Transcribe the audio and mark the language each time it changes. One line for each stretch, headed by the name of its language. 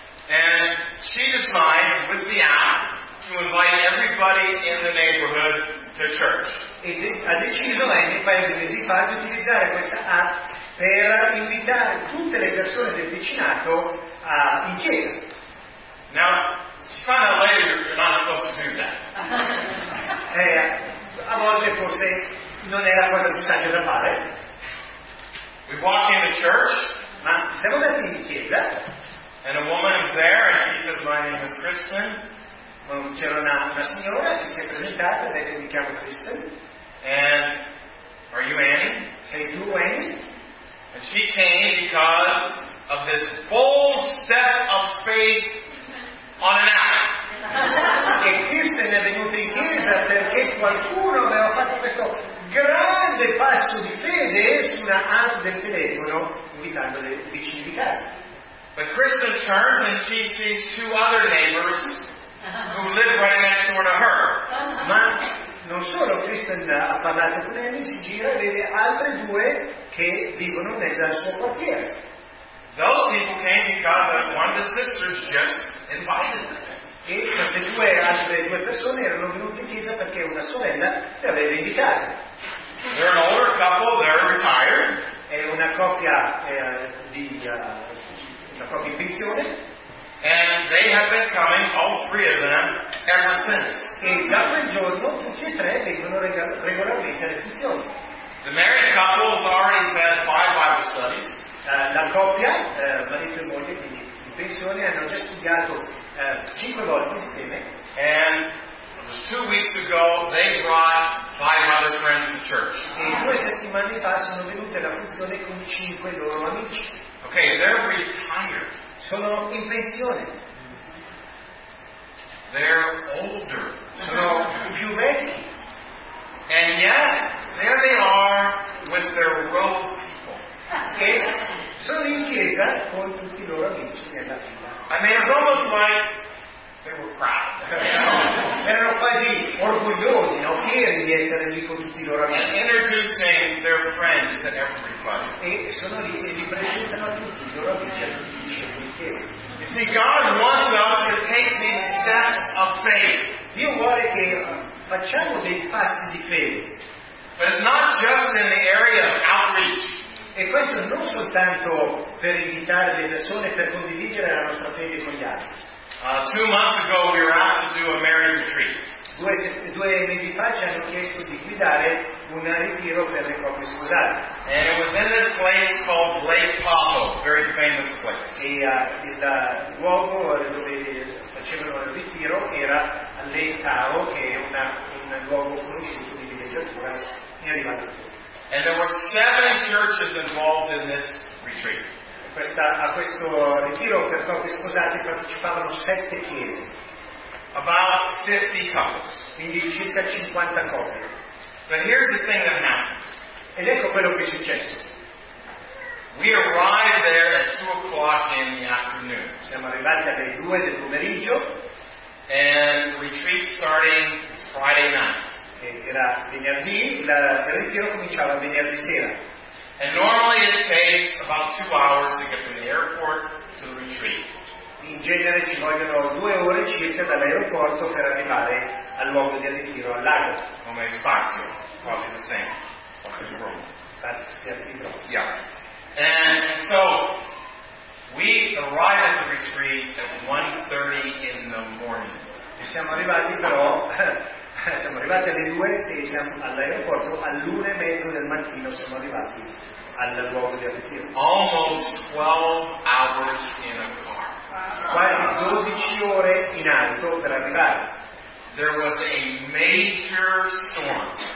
English: And she decides with the app to invite everybody in the neighborhood to church.
Italian: Ha deciso lei paio di mesi fa di utilizzare questa app per invitare tutte le persone del vicinato in chiesa.
English: Now, she found out later you're not supposed to do that.
Italian: A volte forse non è la cosa più saggia da fare.
English: We walk into church,
Italian: ma siamo andati in chiesa.
English: And a woman is there, and she says, "My name is Kristen."
Italian: C'era una signora che si è presentata e mi chiamo Kristen.
English: And are you Annie?
Italian: Sei tu Annie?
English: And she came because of this bold step of faith on an app.
Italian: Che Kristen è venuta in chiesa perché qualcuno aveva fatto questo grande passo di fede su una app del telefono invitando le vicine di casa.
English: But Kristen turns and she sees two other neighbors who live right next door to her.
Italian: Ma non solo Kristen ha parlato con lei, si gira e vede altre due che vivono nel suo quartiere.
English: Those people came because one of the sisters just invited them.
Italian: E queste due altre due persone erano venute in chiesa perché una sorella le aveva invitate.
English: They're an older couple, they're retired.
Italian: È una coppia una coppia in pensione.
English: And they have been coming, all three of them, ever since.
Italian: E da quel giorno tutti e tre vengono regolarmente alle funzioni.
English: The married couple has already had five Bible studies.
Italian: La coppia, marito e moglie, quindi in pensione, hanno già studiato 5 volte insieme.
English: And it was 2 weeks ago they brought 5 other friends to church.
Italian: E 2 settimane fa sono venute alla funzione con 5 loro amici.
English: Okay, they're retired.
Italian: Sono in pensione.
English: They're older.
Italian: Sono più vecchi.
English: And yet there they are with their rope people. Okay.
Italian: Sono in chiesa con tutti i loro amici nella fila.
English: I mean, it's almost like they were proud.
Italian: Erano quasi orgogliosi, no? Fieri di essere lì con tutti i loro amici.
English: And introducing their friends to everybody.
Italian: E sono lì e li presentano a tutti i loro amici, a tutti i discepoli in chiesa.
English: You see, God wants us to take these steps of faith.
Italian: Dio vuole che facciamo dei passi di fede.
English: But it's not just in the area of outreach.
Italian: E questo non soltanto per invitare le persone per condividere la nostra fede con gli altri.
English: Two months ago we were asked to do a marriage retreat.
Italian: Due mesi fa ci hanno chiesto di guidare un ritiro per le coppie sposate.
English: And it was in this place called Lake Tahoe, very famous place.
Italian: E il luogo dove facevano il ritiro era Lake Tahoe, che è un luogo conosciuto di villeggiatura in riva.
English: And there were seven churches involved in this retreat.
Italian: A questo ritiro per coppie sposate partecipavano sette chiese.
English: About 50 couples.
Italian: Quindi circa 50 coppie.
English: But here's the thing that happened.
Italian: Ed ecco quello che è successo.
English: We arrived there at 2:00 in the afternoon.
Italian: Siamo arrivati alle 2 del pomeriggio.
English: And retreat starting Friday night.
Italian: Era venerdì, il ritiro cominciava venerdì sera.
English: And normally it takes about 2 hours to get from the airport to the retreat.
Italian: In genere ci vogliono 2 ore circa dall'aeroporto per arrivare al luogo del ritiro, al lago. Come spazio, quasi
English: the same. Okay, yeah. And so we arrive at the retreat at 1:30 in the morning.
Italian: E siamo arrivati però. Siamo arrivati alle 2 e siamo all'aeroporto all'1:30 del mattino. Siamo arrivati al luogo di ritiro.
English: Almost 12 hours in a car.
Italian: Quasi 12 ore in auto per arrivare.
English: There was a major storm.